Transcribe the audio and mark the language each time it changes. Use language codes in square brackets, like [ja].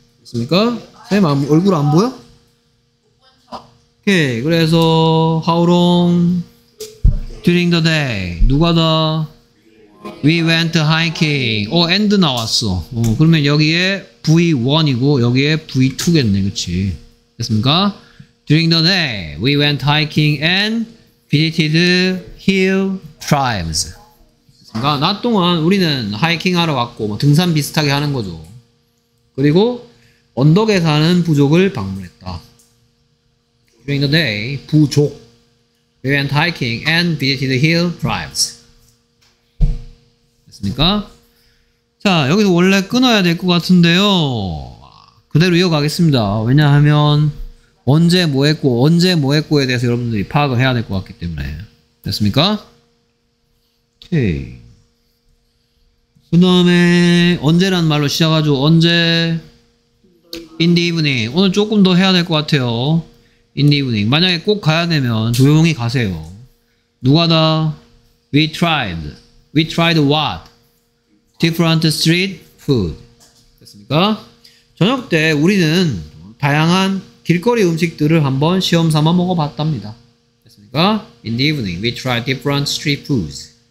[ko] 됐습니까? 선생님 얼굴 안 보여? 오케이. 그래서 [en] How long during the day? [ko] 누가 더? [en] We went hiking. [ko] 오, [en] and [ko] 나왔어. 어, 그러면 여기에 V1이고 여기에 V2겠네. 그치? 됐습니까? [en] During the day, we went hiking and visited hill tribes. [ko] 그러니까 낮 동안 우리는 하이킹하러 왔고 뭐 등산 비슷하게 하는 거죠. 그리고 언덕에 사는 부족을 방문했다. [en] During the day, [ko] 부족. [en] We went hiking and visited hill tribes. [ko] 됐습니까? 자, 여기서 원래 끊어야 될 것 같은데요. 그대로 이어가겠습니다. 왜냐하면 언제 뭐 했고 언제 뭐 했고에 대해서 여러분들이 파악을 해야 될 것 같기 때문에. 됐습니까? 오케이. 그 다음에 언제란 말로 시작하죠. 언제? [en] In the evening. [ko] 오늘 조금 더 해야 될 것 같아요. [en] In the evening. [ko] 만약에 꼭 가야 되면 조용히 가세요. 누가 다? [en] We tried. We tried what? Different street food. [ko] 됐습니까? 저녁 때 우리는 다양한 길거리 음식들을 한번 시험삼아 먹어봤답니다. 됐습니까? [en] In the evening, we tried different street foods.